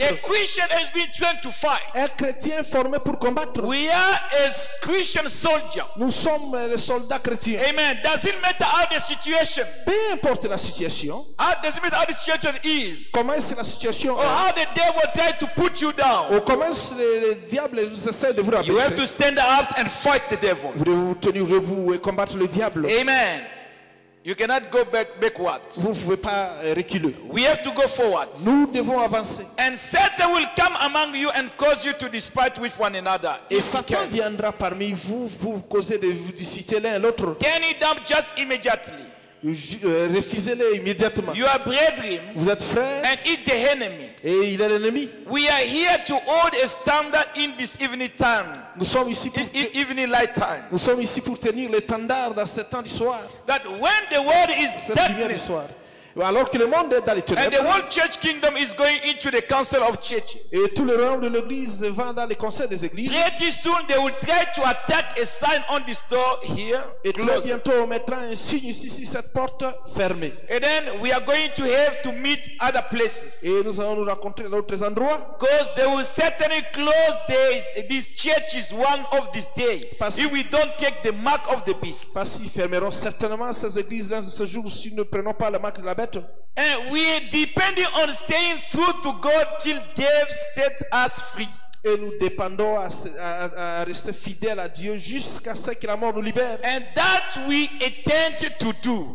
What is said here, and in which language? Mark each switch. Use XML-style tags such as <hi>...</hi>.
<en>A Christian has been trained to fight.</en> <fr>Un chrétien formé pour combattre.</fr> <en>We are a Christian soldier.</en> <fr>Nous sommes les soldats chrétiens.</fr> <en>Amen. Does it matter how the situation?</en> <fr>Peu importe la situation.</fr> <en>How does it matter how the situation is?</en> <fr>Comment est la situation?</fr> <en>Or how the devil tried to put you down?</en> <fr>Ou comment le diable essaie de vous rabaisser?</fr> <en>You have to stand up and fight the devil.</en> <fr>Vous devez vous tenir debout et combattre le diable.</fr> <en>Amen. You cannot go backwards.</en> <fr>Vous pouvez pas reculer.</fr> <en>We have to go forward.</en> <fr>Nous devons avancer.</fr> <en>And Satan will come among you and cause you to dispute with one another.</en> <fr>Et Satan viendra parmi vous pour causer de vous disputer l'un l'autre.</fr> <en>Turn it up just immediately.</en> <fr>Refusez-le immédiatement.</fr> <en>You are brethren.</en> <fr>Vous êtes frères.</fr> <en>And it's the enemy.</en> <fr>Et il est l'ennemi.</fr> <en>We are here to hold a standard in this evening time.</en> <fr>Nous sommes ici pour</fr> <en>evening light time.</en> <fr>Nous sommes ici pour tenir l'étendard dans ce temps du soir.</fr> <en>That when the world is darkness.</en> <fr>Alors que le monde est dans les ténèbres.</fr> <en>And the whole church kingdom is going into the council of churches.</en> <fr>Et tout le royaume de l'église va dans les conseils des églises.</fr> <en>Pretty soon they will try to attack a sign on this door here.</en> <fr>Et très bientôt on mettra un signe ici sur cette porte fermée.</fr> <en>And then we are going to have to meet other places.</en> <fr>Et nous allons nous rencontrer dans d'autres endroits.</fr> <en>Because they will certainly close these churches one of these days if we don't take the mark of the beast.</en> <fr>Parce qu'ils fermeront certainement ces églises dans ce jour si nous ne prenons pas la marque de la.</fr> <en>And we are depending on staying true to God till death set us free.</en> <fr>Et nous dépendons à rester fidèles à Dieu jusqu'à ce que la mort nous libère.</fr> <en>And that we intend to do.</en>